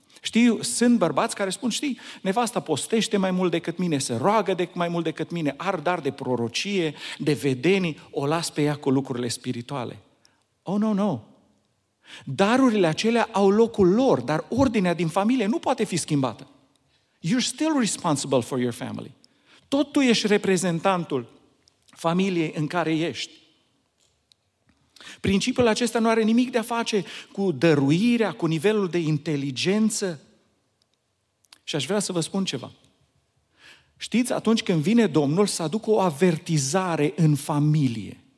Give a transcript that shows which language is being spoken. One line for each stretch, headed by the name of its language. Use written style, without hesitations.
Romanian: Știu, sunt bărbați care spun, știi, nevasta postește mai mult decât mine, se roagă mai mult decât mine, are dar de prorocie, de vedenii, o las pe ea cu lucrurile spirituale.
English: Oh, no, no.
Romanian: Darurile acelea au locul lor, dar ordinea din familie nu poate fi schimbată.
English: You're still responsible for your family.
Romanian: Tot tu ești reprezentantul familiei în care ești. Principiul acesta nu are nimic de a face cu dăruirea, cu nivelul de inteligență. Și aș vrea să vă spun ceva. Știți, atunci când vine Domnul să aducă o avertizare în familie.